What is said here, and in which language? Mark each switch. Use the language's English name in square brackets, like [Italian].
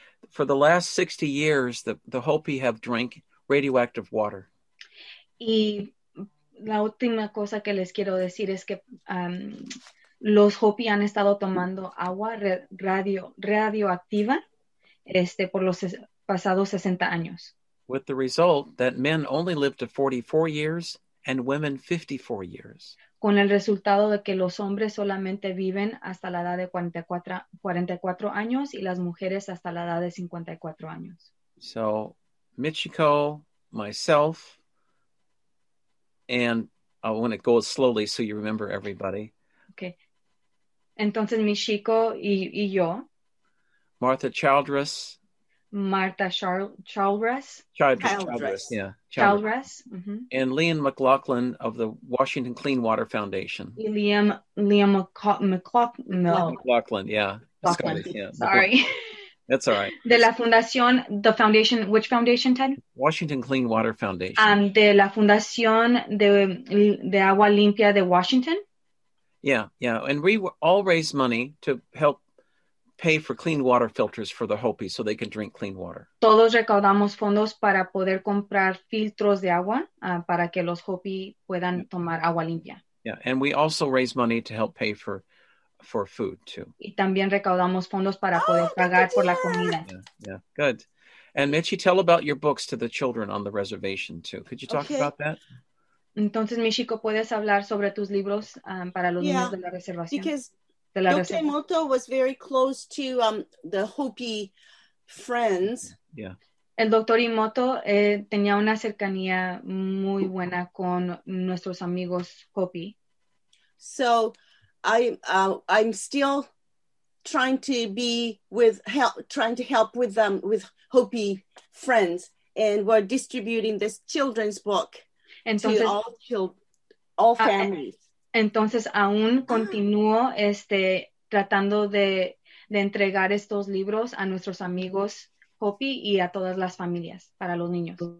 [English] For the last 60 years, the Hopi have drank radioactive water. [Spanish] Y la última cosa que les quiero decir es que los Hopi han estado tomando agua radioactiva por los pasados 60 años. [English] With the result that men only lived to 44 years and women 54 years. [Spanish] Con el resultado de que los hombres solamente viven hasta la edad de 44 años y las mujeres hasta la edad de 54 años. [English] So, Michiko, myself, and I want to go slowly so you remember everybody. [Spanish] Okay. Entonces, Michiko y yo. [English] Martha Childress. Martha Childress. Childress, yeah. Childress. Mm-hmm. And Liam McLaughlin of the Washington Clean Water Foundation. Liam McLaughlin, yeah. Sorry. That's all right. [Spanish] De la Fundación, [English] the foundation, which foundation, Ted? Washington Clean Water Foundation. [Spanish] De la Fundación de Agua Limpia de Washington. [English] Yeah, yeah. And we all raise money to help pay for clean water filters for the Hopi so they can drink clean water. [Spanish] Todos recaudamos fondos para poder comprar filtros de agua para que los Hopi puedan tomar agua limpia. [English] Yeah, and we also raise money to help pay for food too. [Spanish] Y también recaudamos fondos para poder pagar por la comida. [English] Yeah, good. And Michi, tell about your books to the children on the reservation too. Could you talk about that? [Spanish] Entonces, Michiko, puedes hablar sobre tus libros para los niños de la reservación. [English] Yokemoto was very close to the Hopi friends. Yeah. [Spanish] El doctor Imoto tenía una cercanía muy buena con nuestros amigos Hopi. [English] So I'm still trying to be trying to help with them with Hopi friends, and we're distributing this children's book to all families. [Spanish] Entonces aún continúo tratando de entregar estos libros a nuestros amigos Hopi y a todas las familias para los niños.